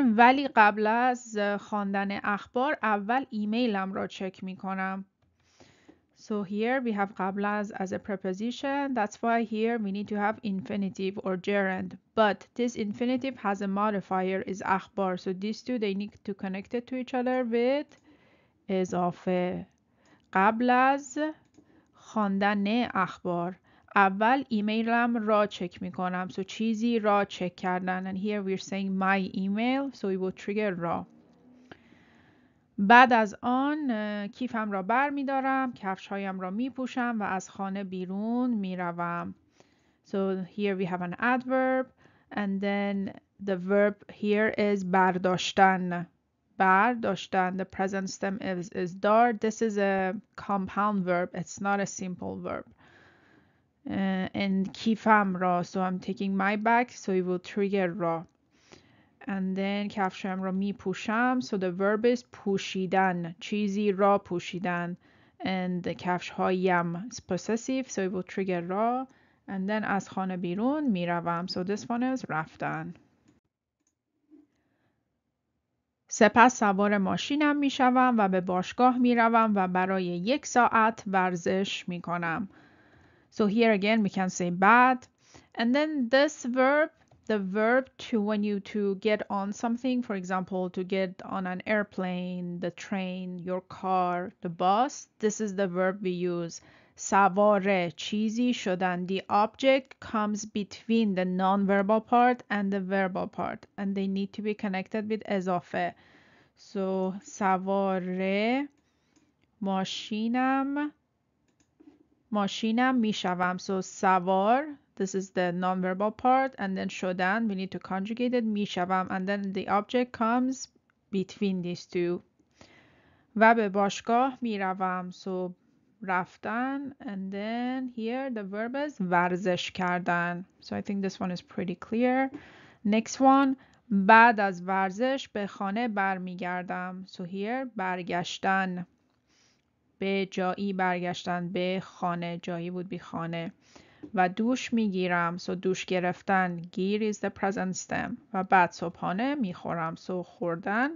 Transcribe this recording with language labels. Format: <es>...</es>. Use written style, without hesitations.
<fa>ولی قبل از خواندن اخبار اول ایمیلم را چک می کنم.</fa> <en>So here we have قبل as a preposition. That's why here we need to have infinitive or gerund. But this infinitive has a modifier, is اخبار. So these two, they need to connect it to each other with اضافه.</en> <fa>قبل از خواندن اخبار. اول ایمیلم را چک می کنم. So چیزی را چک کردن.</fa> <en>And here we're saying my email. So it will trigger را.</en> <fa>بعد از آن کیفم را بر می دارم, کفش هایم را می پوشم و از خانه بیرون می روم.</fa> <en>So here we have an adverb and then the verb here is برداشتن. برداشتن, the present stem is دار. This is a compound verb, it's not a simple verb. And کیفم را, so I'm taking my bag, so it will trigger را. And then</en> <fa>کفشم را می پوشم.</fa> <en>So the verb is پوشیدن.</en> <fa>چیزی را پوشیدن. And the کفش هایم</fa> <en>is possessive. So it will trigger را. And then از خانه بیرون می روم. So this one is رفتن.</en> <fa>سپس سوار ماشینم می شوم و به باشگاه می روم و برای یک ساعت ورزش می کنم.</fa> <en>So here again we can say بعد. And then this verb, the verb to when you to get on something, for example, to get on an airplane, the train, your car, the bus, this is the verb we use. Savare, چیزی شدن. The object comes between the non-verbal part and the verbal part, and they need to be connected with اضافه. So, savare, ماشینم می شوم. So, savar, this is the non-verbal part. And then شدن, we need to conjugate it, می شوم. And then the object comes between these two.</en> <fa>و به باشگاه می روم.</fa> <en>So رفتن. And then here the verb is ورزش کردن. So I think this one is pretty clear. Next one.</en> <fa>بعد از ورزش به خانه برمیگردم. So here برگشتن. به جایی برگشتن. به خانه. جایی بود بی خانه. و دوش میگیرم.</fa> <en>So دوش گرفتن. Gear is the present stem.</en> <fa>و بعد صبحانه میخورم.</fa> <en>So خوردن.</en>